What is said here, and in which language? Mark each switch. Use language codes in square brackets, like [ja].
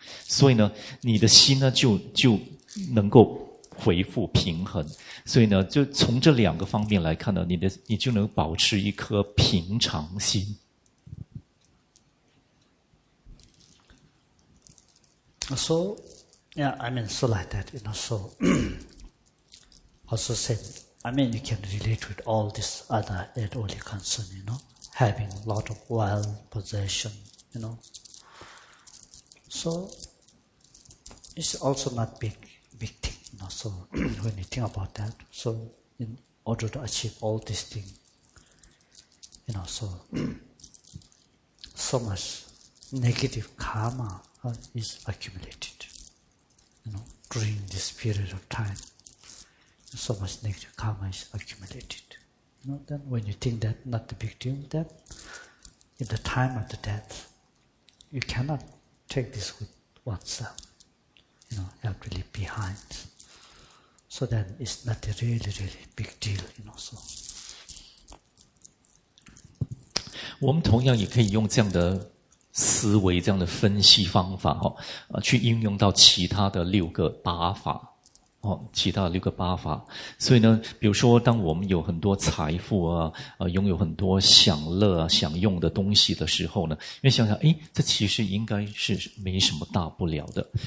[zh] 所以呢，你的心呢就能够恢复平衡。所以呢，就从这两个方面来看呢，你就能保持一颗平常心。 [en] So,Yeah, I mean, so like that, you know, so, also said, I mean, you can relate with all this other and only concern, you know, having a lot of wealth, possession, you know. So, it's also not big thing, you know, so, when you think about that, so, in order to achieve all these things, you know, so, so much negative karma is accumulated. You know, during this period of time, so much negative karma is accumulated. You know, then when you think that not the big deal, then in the time of the death, you cannot take this with oneself. You know, you have to leave behind. So then it's not a really, really big deal, you know, so. [zh] 我们同样也可以用这样的思维这样的分析方法齁，去应用到其他的六个八法齁，其他的六个八法。所以呢，比如说当我们有很多财富啊，拥有很多享乐啊，享用的东西的时候呢，因为想想诶，这其实应该是没什么大不了的。